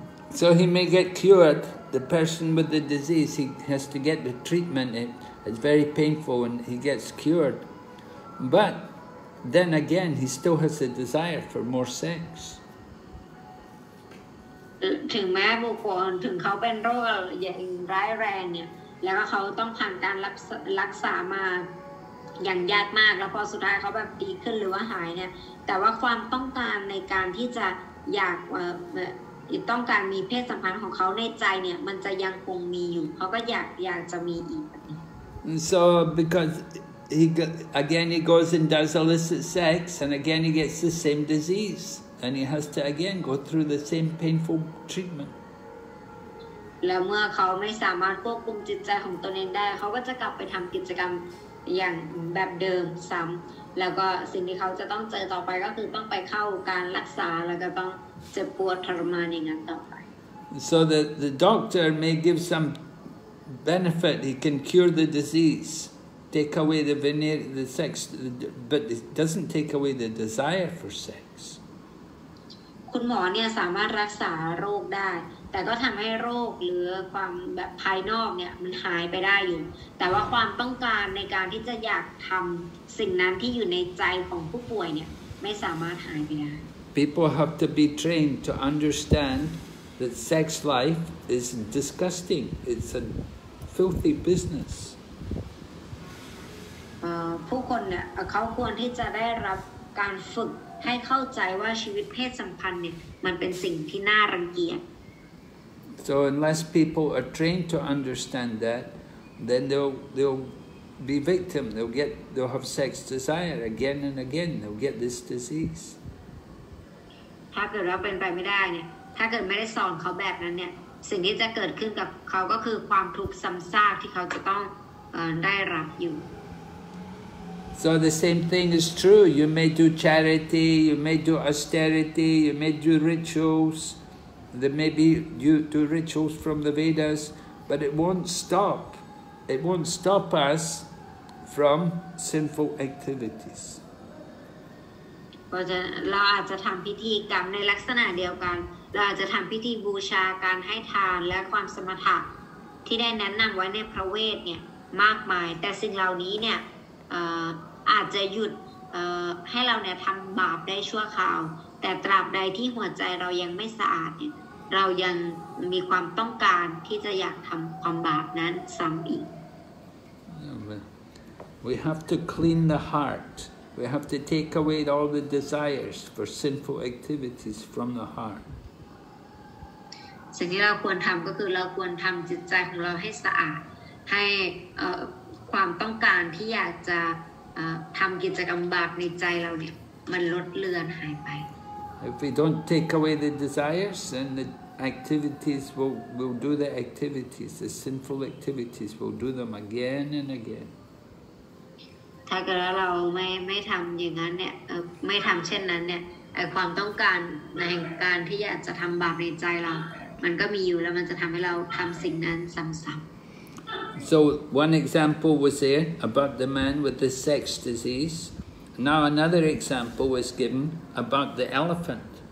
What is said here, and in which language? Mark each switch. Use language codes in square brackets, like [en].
[en] So he may get cured, the person with the disease, he has to get the treatment, it's very painful and he gets cured. But then again, he still has a desire for more sex. [th] ถึงแม้บุคคลถึงเขาเป็นโรคอย่างร้ายแรงเนี่ยแล้วก็เขาต้องผ่านการรักษามาอย่างยากมากแล้วพอสุดท้ายเขาแบบดีขึ้นหรือว่าหายเนี่ยแต่ว่าความต้องการในการที่จะอยากต้องการมีเพศสัมพันธ์ของเขาในใจเนี่ยมันจะยังคงมีอยู่เขาก็อยากจะมีอีก [en] so because he goes and does illicit sex and again he gets the same disease and he has to again go through the same painful treatment [th] แล้วเมื่อเขาไม่สามารถควบคุมจิตใจของตนเองได้เขาก็จะกลับไปทำกิจกรรมอย่างแบบเดิมซ้ำแล้วก็สิ่งที่เขาจะต้องเจอต่อไปก็คือต้องไปเข้าการรักษาแล้วก็ต้องเจ็บปวดทรมานอย่างนั้นต่อไป [en] So the doctor may give some benefit he can cure the disease take away the sex but it doesn't take away the desire for sex [th] คุณหมอเนี่ยสามารถรักษาโรคได้แต่ก็ทำให้โรคหรือความแบบภายนอกเนี่ยมันหายไปได้อยู่แต่ว่าความต้องการในการที่จะอยากทำสิ่งนั้นที่อยู่ในใจของผู้ป่วยเนี่ยไม่สามารถหายไปได้ [en] People have to be trained to understand that sex life is disgusting. It's a filthy business. [th] ผู้คนเนี่ยเขาควรที่จะได้รับการฝึกให้เข้าใจว่าชีวิตเพศสัมพันธ์เนี่ยมันเป็นสิ่งที่น่ารังเกียจ [en] So unless people are trained to understand that, then they'll be victim. They'll have sex desire again and again. They'll get this disease. [th] ถ้าเกิดเราเป็นไปไม่ได้เนี่ยถ้าเกิดไม่ได้สอนเขาแบบนั้นเนี่ยสิ่งที่จะเกิดขึ้นกับเขาก็คือความทุกข์ซ้ำซากที่เขาจะต้องได้รับอยู่ [en] So the same thing is true. You may do charity. You may do austerity. You may do rituals. There may be you do rituals from the Vedas, but it won't stop. It won't stop us from sinful activities. [th] เราอาจจะทำพิธีกรรมในลักษณะเดียวกันเราอาจจะทำพิธีบูชาการให้ทานและความสมถะที่ได้แนะนำไว้ในพระเวทเนี่ยมากมายแต่สิ่งเหล่านี้เนี่ยอาจจะหยุดให้เราเนี่ยทำบาปได้ชั่วคราวแต่ตราบใดที่หัวใจเรายังไม่สะอาดเรายังมีความต้องการที่จะอยากทำความบาปนั้นซ้ำอีก [en] We have to clean the heart. We have to take away all the desires for sinful activities from the heart. [th] สิ่งที่เราควรทำก็คือเราควรทำจิตใจของเราให้สะอาดให้ความต้องการที่อยากจะทำกิจกรรมบาปในใจเราเนี่ยมันลดเลือนหายไป [en] If we don't take away the desires, then the activities will do the activities, the sinful activities, will do them again and again. [th] ถ้าเกิดเราไม่ทำอย่างนั้นเนี่ยไม่ทำเช่นนั้นเนี่ย ความต้องการในการที่อยากจะทำบาปในใจเรามันก็มีอยู่แล้วมันจะทำให้เราทำสิ่งนั้นซ้ำ [en] ๆ So one example was there about the man with the sex disease. Now another example was given about the elephant.